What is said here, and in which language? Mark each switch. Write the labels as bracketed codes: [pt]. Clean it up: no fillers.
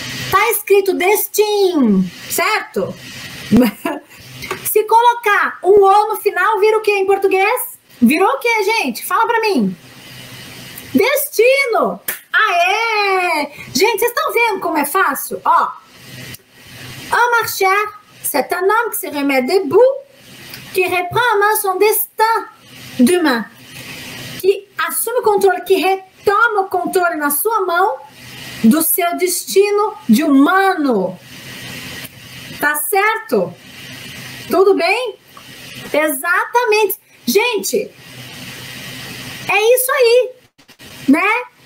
[pt] Tá escrito destin, certo? Se colocar um O no final, vira o que em português? Virou o que, gente? Fala pra mim. Destino. Aê! Gente, vocês estão vendo como é fácil? Ó. [fr] Un marcher, c'est un homme qui se remet debout, qui reprend en main son destin d'humain. [pt] Que assume o controle, que toma o controle na sua mão do seu destino de humano. Tá certo? Tudo bem? Exatamente. Gente, é isso aí, né?